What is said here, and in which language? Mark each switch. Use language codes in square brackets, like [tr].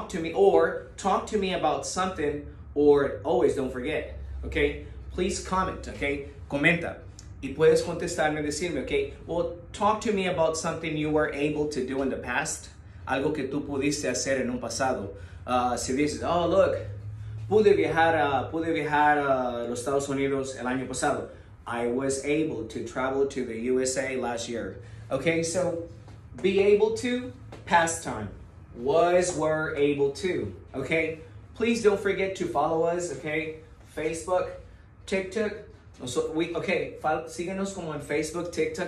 [en] Talk to me about something, or always don't forget, okay? Please comment, okay? [es] Comenta. Y puedes contestarme y decirme, [en] okay? Well, talk to me about something you were able to do in the past. [es] algo que tú pudiste hacer en un pasado. Si dices, [en] oh, look, [es] pude viajar a los Estados Unidos el año pasado. [en] I was able to travel to the USA last year. Okay, so be able to, past time. Was, were, able to. Okay, please don't forget to follow us. [es] Okay, Facebook, TikTok. Síguenos como en Facebook, TikTok.